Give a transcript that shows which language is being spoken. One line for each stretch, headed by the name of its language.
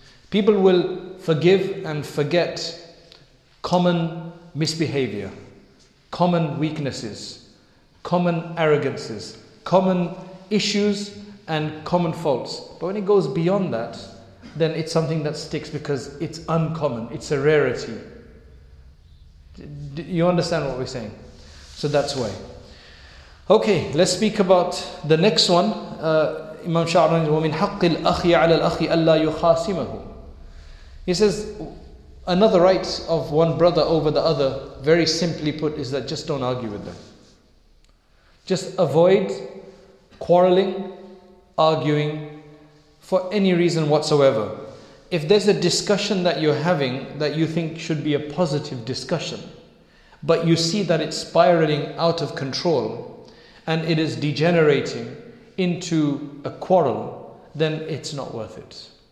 English: People will forgive and forget common misbehavior, common weaknesses, common arrogances, common issues and common faults. But when it goes beyond that, then it's something that sticks, because it's uncommon, it's a rarity. You understand what we're saying? So that's why. Okay, let's speak about the next one.
Arabic: Imam Sha'ran, وَمِنْ حَقِّ الْأَخِي عَلَى الْأَخِي أَلَّا يُخَاسِمَهُ.
English: He says, another right of one brother over the other, very simply put, is that just don't argue with them. Just avoid quarreling, arguing for any reason whatsoever. If there's a discussion that you're having that you think should be a positive discussion, but you see that it's spiraling out of control and it is degenerating into a quarrel, then it's not worth it.